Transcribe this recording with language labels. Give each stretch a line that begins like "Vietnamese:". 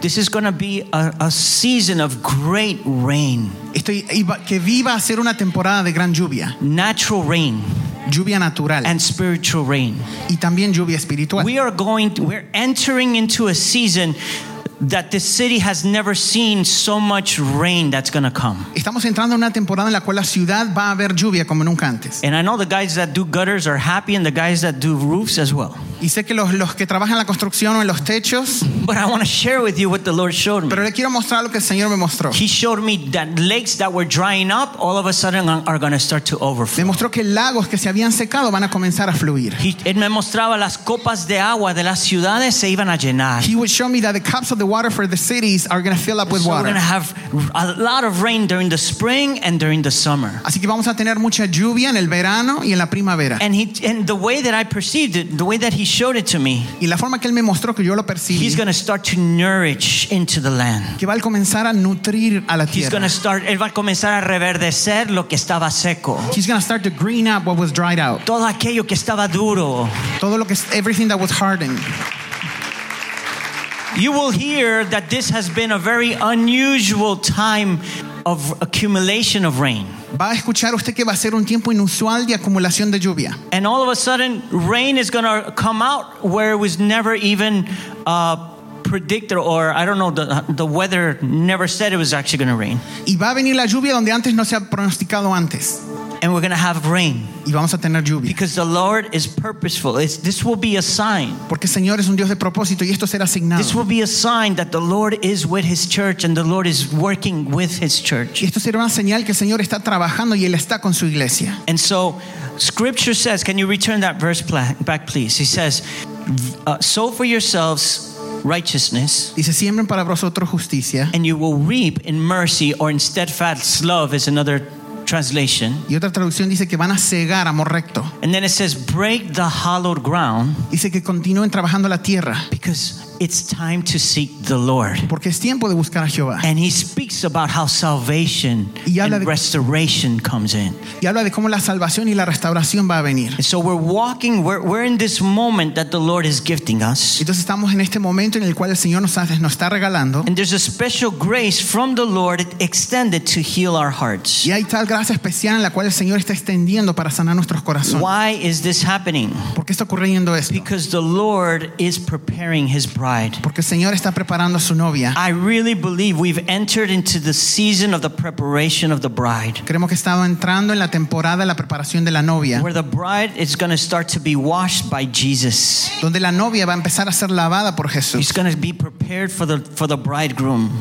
English: This is going to be a season of great rain.
Spanish: Iba a ser una temporada de gran lluvia.
English: Natural rain.
Spanish: Lluvia natural.
English: And spiritual rain.
Spanish: Y también lluvia espiritual.
English: We're entering into a season that the city has never seen so much rain that's going to come.
Spanish: Estamos entrando en una temporada en la cual la ciudad va a haber lluvia como nunca antes.
English: And I know the guys that do gutters are happy, and the guys that do roofs as well.
Spanish: Y sé que los que trabajan en la construcción o en los techos.
English: But I want to share with you what the Lord showed me.
Spanish: Pero le quiero mostrar lo que el Señor me mostró.
English: He showed me that lakes that were drying up all of a sudden are going to start to overflow.
Spanish: Me mostró que lagos que se habían secado van a comenzar a fluir. Él me mostraba las copas de agua de las ciudades se iban a llenar.
English: He would show me that the cups of the water for the cities are going to fill up with water. So we're going to have a lot of rain during the spring and during the summer.
Spanish: Así que vamos a tener mucha lluvia en el verano y en la primavera.
English: And the way that I perceived it, the way that he showed it to me.
Spanish: Y la forma que él me mostró que yo lo percibí.
English: He's going to start to nourish into the land.
Spanish: Que va a comenzar a nutrir a la tierra.
English: He's going to start.
Spanish: Él va a comenzar a reverdecer lo que estaba seco.
English: He's going to start to green up what was dried out.
Spanish: Todo aquello que estaba duro. Todo lo que
English: everything that was hardened. You will hear that this has been a very unusual time of accumulation of rain.
Spanish: Va a escuchar usted que va a ser un tiempo inusual de acumulación de lluvia.
English: And all of a sudden, rain is going to come out where it was never even predicted, or I don't know, the weather never said it was actually going to rain.
Spanish: Y va a venir la lluvia donde antes no se ha pronosticado antes.
English: And we're going to have rain.
Spanish: Y vamos a tener lluvia.
English: Because the Lord is purposeful. This will be a sign.
Spanish: Porque el Señor es un Dios de propósito y esto será asignado.
English: This will be a sign that the Lord is with his church and the Lord is working with his church.
Spanish: Y esto será una señal que el Señor está trabajando y él está con su iglesia.
English: And so scripture says, can you return that verse back please? He says, sow for yourselves righteousness.
Spanish: Dice, siembren para vosotros justicia.
English: And you will reap in mercy, or in steadfast love is another translation.
Spanish: Y otra traducción dice que van a segar amor recto.
English: And then it says, break the hollowed ground.
Spanish: Dice que continúen trabajando la tierra.
English: Because it's time to seek the Lord.
Spanish: Porque es tiempo de buscar a Jehová.
English: And he speaks about how salvation and restoration comes in.
Spanish: Y habla de cómo la salvación y la restauración va a venir.
English: And so we're walking, we're in this moment that the Lord is gifting us.
Spanish: Entonces estamos en este momento en el cual el Señor nos está regalando.
English: And there's a special grace from the Lord extended to heal our hearts.
Spanish: Y hay tal gracia especial en la cual el Señor está extendiendo para sanar nuestros corazones.
English: Why is this happening?
Spanish: ¿Por qué está ocurriendo esto?
English: Because the Lord is preparing his bride. bride.
Spanish: Porque el Señor está preparando a su novia.
English: I really believe we've entered into the season of the preparation of the bride.
Spanish: Creemos que estamos entrando en la temporada de la preparación de la novia.
English: Where the bride is going to start to be washed by Jesus.
Spanish: Donde la novia va a empezar a ser lavada por Jesús.
English: She's going to be prepared for the bridegroom.